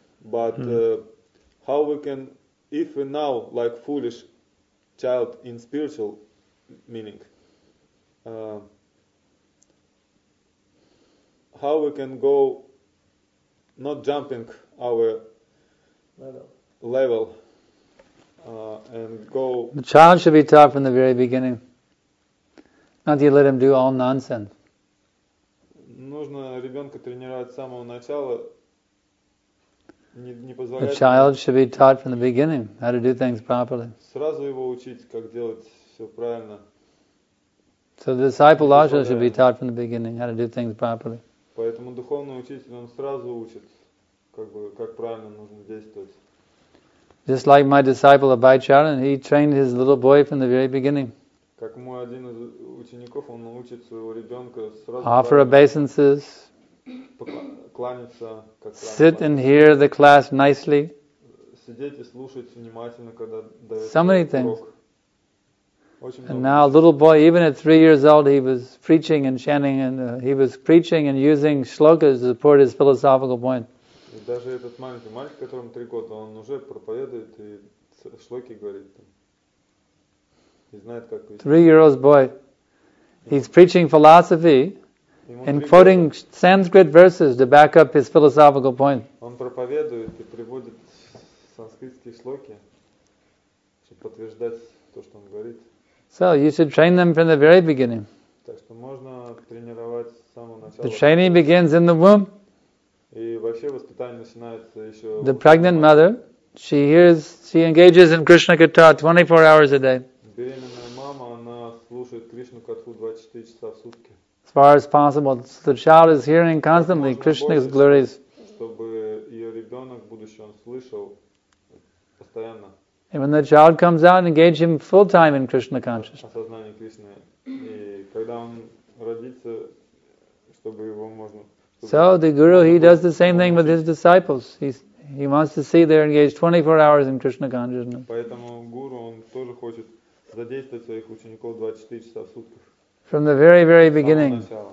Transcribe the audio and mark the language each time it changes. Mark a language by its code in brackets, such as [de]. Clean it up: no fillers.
[en] But how we can, if we now like foolish child in spiritual meaning, how we can go not jumping our level and go... The child should be taught from the very beginning. Not you let him do all nonsense. [ru] Нужно ребенка тренировать с самого начала, не позволять... [en] The child should be taught from the beginning how to do things properly. [ru] Сразу его учить, как делать все правильно. [en] So the disciple also should be taught from the beginning how to do things properly. [ru] Поэтому духовный учитель, он сразу учит, как правильно нужно действовать. [en] Just like my disciple Abhay Charan, he trained his little boy from the very beginning. [ru] Как мой один из учеников, он учит своего ребенка сразу... [en] Offer obeisances. [ru] Кланяться. Как [en] sit and hear the class nicely. [ru] Сидеть и слушать внимательно, когда дает урок. [en] So many things. [ru] Очень [en] and now, little boy, even at 3 years old, he was preaching and chanting, and he was preaching and using shlokas to support his philosophical point. [ru] И даже этот маленький мальчик, которому 3 года, он уже проповедует и шлоки говорит. [en] Three-year-old boy. He's preaching philosophy and quoting Sanskrit verses to back up his philosophical point. [ru] Он проповедует и приводит санскритские шлоки, чтобы подтверждать то, что он говорит. [en] So you should train them from the very beginning. [ru] Так что можно тренировать с самого начала. [en] The training begins in the womb. [ru] И вообще воспитание начинается еще... [en] The pregnant mother, she engages in Krishna Katha 24 hours a day. [ru] Беременная мама, она слушает Кришну Катху 24 часа в сутки. [en] As far as possible, the child is hearing constantly Krishna's glories. [ru] Чтобы ее ребенок в будущем слышал постоянно. [en] And when the child comes out, engage him full time in Krishna consciousness. [ru] Осознание Кришны. И когда он родится, чтобы его можно... [en] So the guru, he does the same thing with his disciples. He wants to see they're engaged 24 hours in Krishna consciousness. [ru] Поэтому гуру, он тоже хочет задействовать своих учеников 24 часа в сутки. [en] From the very, very beginning.